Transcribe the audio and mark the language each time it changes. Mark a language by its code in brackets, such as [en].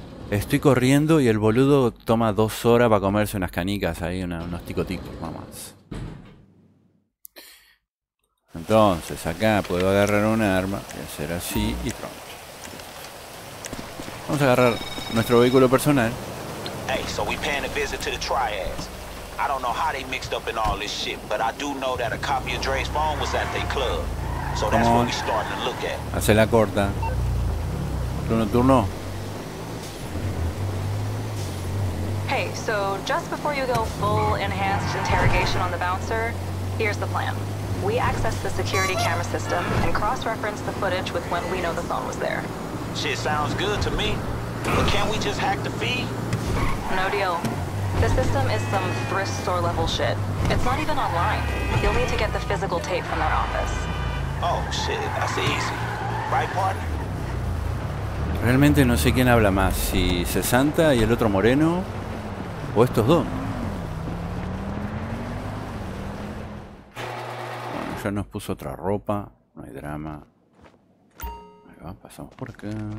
[es] Estoy corriendo y el boludo toma 2 horas para comerse unas canicas ahí, unos ticoticos, mamás. Entonces, acá puedo agarrar un arma, voy a hacer así y pronto. Vamos a agarrar nuestro vehículo personal. [en] Hey, so we paying a visit to the Triads. I don't know how they mixed up in all this shit, but I do know that a copy of Dre's phone was at their club. So that's what we starting to look at. [es] Hace la corta. Turno. [en] Hey, so just before you go full enhanced interrogation on the bouncer, here's the plan. We access the security camera system and cross-reference the footage with when we know the phone was there. Shit sounds good to me, but can't we just hack the feed? No deal. The system is some thrift store level shit. It's not even online. You'll need to get the physical tape from their office. Oh shit, that's easy. Right, partner? [es] Realmente no sé quién habla más, si Cesanta y el otro moreno. O estos dos. Bueno, ya nos puso otra ropa. No hay drama. Ahí va, pasamos por acá.